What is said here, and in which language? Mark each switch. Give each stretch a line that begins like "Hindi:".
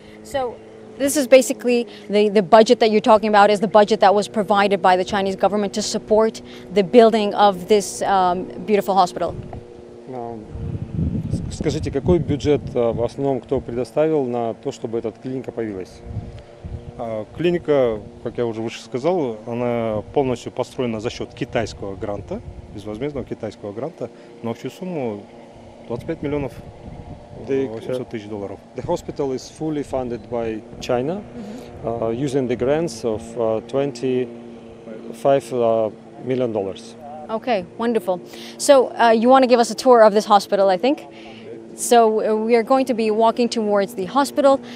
English: So this is basically the budget that you're talking about is the budget that was provided by the Chinese government to support the building of this beautiful hospital.
Russian: Скажите, какой бюджет в основном кто предоставил на то, чтобы эта клиника появилась? Клиника, как я уже выше сказал, она полностью построена за счет китайского гранта, безвозмездного китайского гранта, на общую сумму 25 миллионов 800 тысяч долларов.
English: The hospital is fully funded by China, using the grants of 25 million dollars. Okay, wonderful. So you want to give us a tour of this hospital, I think? So we are going to be walking towards the hospital.